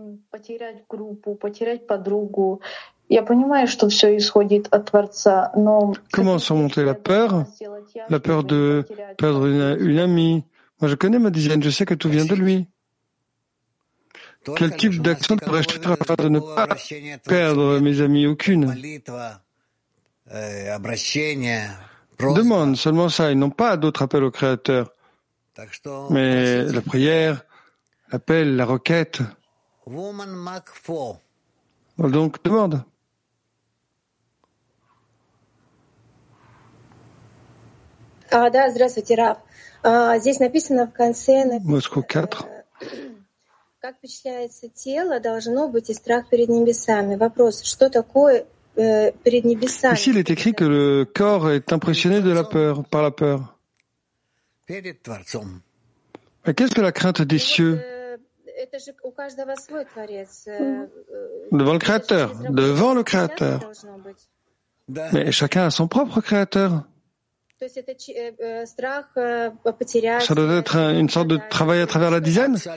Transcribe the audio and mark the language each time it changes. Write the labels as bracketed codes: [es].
[ru] потерять группу, потерять подругу? Я понимаю, что все исходит от Творца, но... [fr] Comment surmonter la peur? La peur de perdre une amie. Moi, je connais ma dizaine, je sais que tout vient de lui. Quel type d'action pourrais-je faire afin de ne pas perdre mes amis? Aucune. Demande seulement ça, ils n'ont pas d'autre appel au Créateur. Mais la prière, l'appel, la requête. Woman Mach 4. Donc, demande. [ru] Ah, да, здравствуйте, Рав. Здесь написано в конце... Москва 4. Как впечатляется тело, должно быть и страх перед небесами. Вопрос, что такое перед небесами? [fr] Ici, il est écrit que le corps est impressionné de la peur, par la peur. [ru] Перед Творцом. [fr] Mais qu'est-ce que la crainte des cieux? [ru] Это же у каждого свой Творец. [fr] Devant le Créateur, devant le Créateur. Mais chacun a son propre Créateur. Ça doit être une sorte de travail à travers la dizaine?